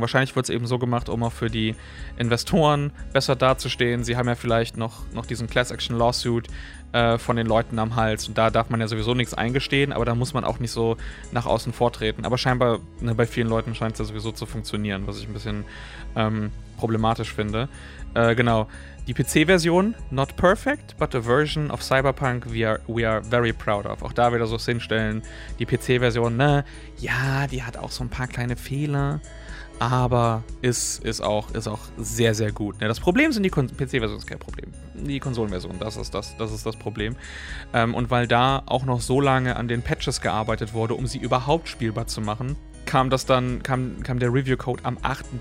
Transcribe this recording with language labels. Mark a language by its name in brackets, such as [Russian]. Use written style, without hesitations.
[German] Wahrscheinlich wird es eben so gemacht, um auch für die Investoren besser dazustehen. Sie haben ja vielleicht noch diesen Class-Action-Lawsuit von den Leuten am Hals. Und da darf man ja sowieso nichts eingestehen, aber da muss man auch nicht so nach außen vortreten. Aber scheinbar, bei vielen Leuten scheint es ja sowieso zu funktionieren, was ich ein bisschen problematisch finde. Genau. Die PC-Version, [English] not perfect, but a version of Cyberpunk we are very proud of. [German] Auch da wieder so hinstellen, die PC-Version, die hat auch so ein paar kleine Fehler, aber ist auch sehr, sehr gut. Ne? Das Problem sind die PC-Versionen, ist kein Problem. Die Konsolenversion, das ist das Problem. Und weil da auch noch so lange an den Patches gearbeitet wurde, um sie überhaupt spielbar zu machen, kam der Review-Code am 8.